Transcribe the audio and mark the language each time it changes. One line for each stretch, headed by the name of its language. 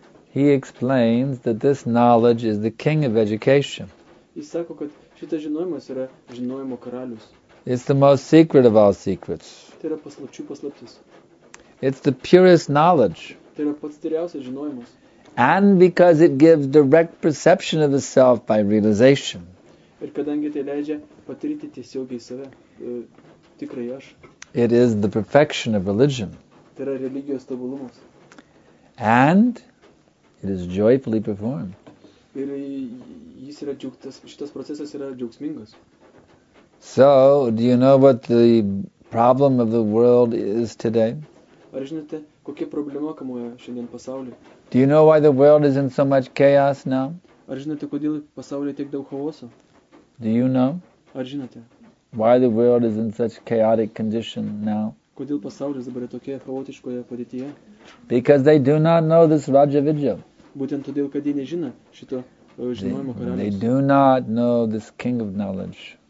English: He explains that this knowledge is the king of education.
Lithuanian: Jis sako, kad šitas žinojimas yra žinojimo karalius.
English: It's the most secret of all secrets.
Lithuanian: Tai yra paslapčių paslaptis.
English: It's the purest knowledge.
Lithuanian: Tai yra pats tyriausias žinojimas.
English: And because it gives direct perception of the self by realization.
Lithuanian: Ir kadangi tai leidžia patirti tiesiogiai save, tikrai aš.
English: It is the perfection of religion.
Lithuanian: Tai yra religijos tobulumas.
English: And it is joyfully performed.
Lithuanian: Ir jis yra džiugtas, šitas procesas yra džiaugsmingas.
English: So, do you know what the problem of the world is today?
Lithuanian: Ar žinote, kokia problema kamuoja šiandien pasaulį?
English: Do you know why the world is in so much chaos now?
Lithuanian: Ar žinote, kodėl pasaulyje tiek daug chaoso?
English: Do you know why the world is in such chaotic condition now?
Lithuanian: Kodėl pasaulis dabar tokia chaotiškoje padėtyje?
English: Because they do not know this Raja Vidya.
Lithuanian: Būtent todėl, kad jie nežino šito žinojimo karaliaus.
English: They do not know this king of knowledge.